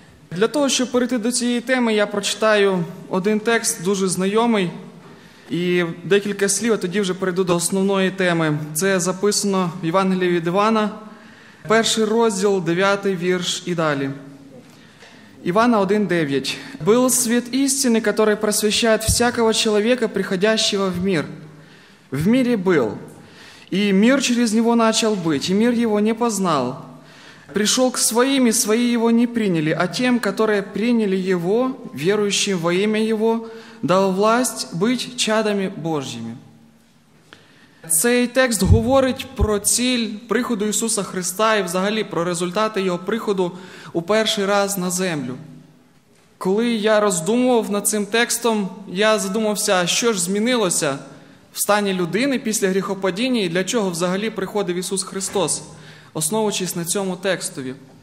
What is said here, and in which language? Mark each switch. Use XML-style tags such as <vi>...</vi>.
<uk>Для того, щоб перейти до цієї теми, я прочитаю один текст, дуже знайомий, і декілька слів, а тоді вже перейду до основної теми. Це записано в Євангелії від Івана, 1 розділ, 9 вірш і далі. Івана 1:9.</uk> <ru>«Был свет истины, который просвещает всякого человека, приходящего в мир. В мире был». И мир через него начал быть, и мир его не познал. Пришел к своим, и свои его не приняли, а тем, которые приняли его, верующим во имя его, дал власть быть чадами Божьими.</ru> <uk>Цей текст говорить про ціль приходу Ісуса Христа і взагалі про результати його приходу у перший раз на землю. Коли я роздумував над цим текстом, я задумався, що ж змінилося в стані людини після гріхопадіння, і для чого взагалі приходив Ісус Христос, основуючись на цьому текстові?</uk>